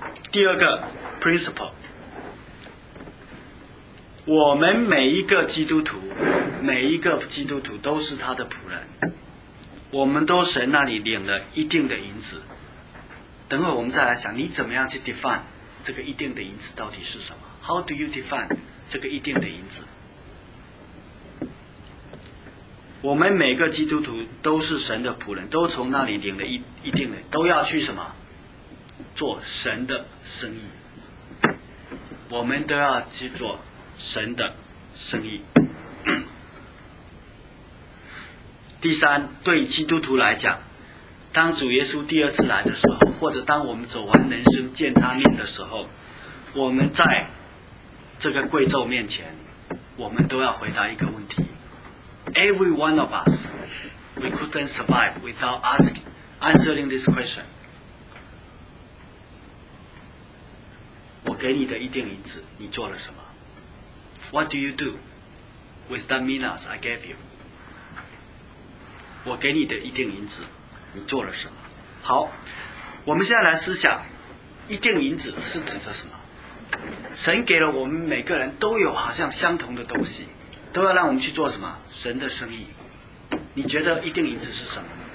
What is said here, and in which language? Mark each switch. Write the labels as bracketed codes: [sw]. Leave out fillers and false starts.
[zh] 第二个 principle， 我们每一个基督徒，每一个基督徒都是他的仆人，我们都神那里领了一定的银子。等会我们再来想，你怎么样去 define 这个一定的银子到底是什么？ [en] How do you define [zh] 这个一定的银子？我们每个基督徒都是神的仆人，都从那里领了一定的，都要去什么？做神的生意。我们都要去做神的生意。第三，对基督徒来讲，当主耶稣第二次来的时候，或者当我们走完人生见他面的时候，我们在这个贵胄面前，我们都要回答一个问题。 [en] Every one of us, we couldn't survive without answering this question. [zh] 我给你的一锭银子，你做了什么？ [en] What do you do with that minas I gave you? [zh] 我给你的一锭银子，你做了什么？好，我们现在来思想，一锭银子是指着什么？神给了我们每个人都有好像相同的东西。都要让我们去做什么？神的生意。你觉得一锭银子是什么？